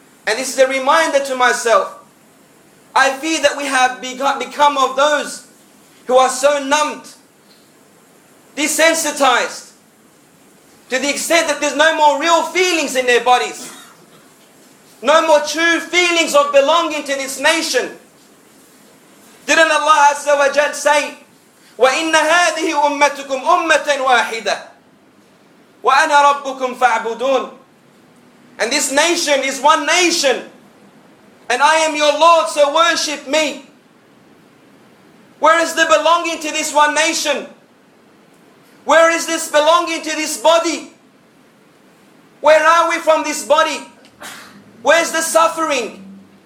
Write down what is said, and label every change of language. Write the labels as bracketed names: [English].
[English] And this is a reminder to myself. I fear that we have become of those who are so numbed, desensitized, to the extent that there's no more real feelings in their bodies. No more true feelings of belonging to this nation. Didn't Allah Azza wa Jal say, [Arabic] وَإِنَّ هَذِهِ أُمَّتُكُمْ أُمَّةً وَاحِدَةً وَأَنَا رَبُّكُمْ فَاعْبُدُونَ. [English] And this nation is one nation. And I am your Lord, so worship me. Where is the belonging to this one nation? Where is this belonging to this body? Where are we from this body? Where's the suffering?